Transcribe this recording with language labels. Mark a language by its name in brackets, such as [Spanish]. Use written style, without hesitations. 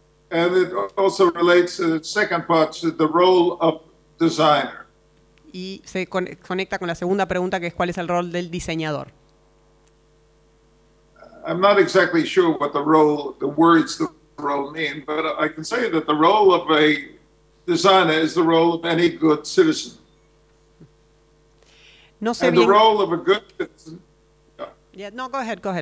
[English] And it also relates to the second part, to the role of designer. [Spanish] Y se conecta con la segunda pregunta, que es ¿cuál es el rol del diseñador? [English] I'm not exactly sure what the role mean, but I can say that the role of a designer is the role of any good citizen. [Spanish] No sé [English] and [Spanish] bien. [English] The role of a good citizen. Yeah, no, go ahead.